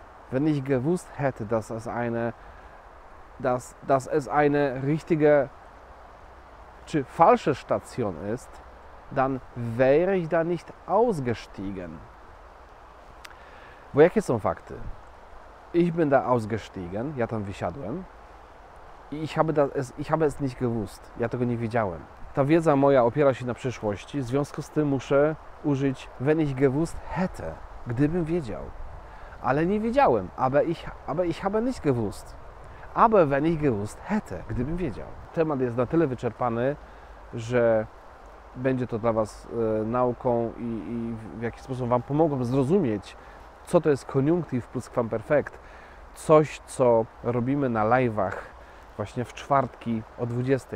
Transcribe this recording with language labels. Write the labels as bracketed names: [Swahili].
[German] Wenn ich gewusst hätte, dass es eine richtige [Polish] czy [German] falsche Station ist, dann wäre ich da nicht ausgestiegen. [Polish] Bo jakie są fakty? [German] Ich bin da ausgestiegen, [Polish] ja tam wysiadłem. [German] Ich habe es nicht gewusst. [Polish] Ja tego nie wiedziałem. Ta wiedza moja opiera się na przeszłości, w związku z tym muszę użyć [German] wenn ich gewusst hätte, [Polish] gdybym wiedział. Ale nie wiedziałem, [German] aber ich habe nicht gewusst. Aber wenn ich gewusst hätte, [Polish] gdybym wiedział. Temat jest na tyle wyczerpany, że będzie to dla Was nauką i w jakiś sposób Wam pomogą zrozumieć, co to jest koniunktyw pluskwamperfekt. Coś, co robimy na live'ach właśnie w czwartki o 20.